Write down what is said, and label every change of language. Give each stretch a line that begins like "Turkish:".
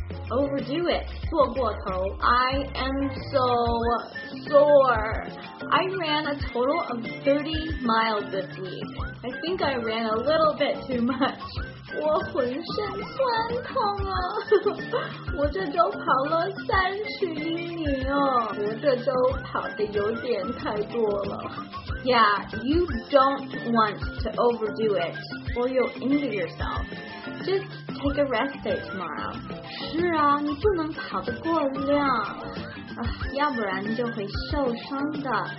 English: Overdo it,
Chinese: 错过头。
English: I am so sore. I ran a total of 30 miles this week. I think I ran a little bit too much.
Chinese: 我浑身酸痛啊！我这周跑了31米哦，我这周跑的有点太多了。
English: Yeah, you don't want to overdo it, or you'll injure yourself. Just take a rest day tomorrow.
Chinese: 是啊，你不能跑得过量，要不然你就会受伤的。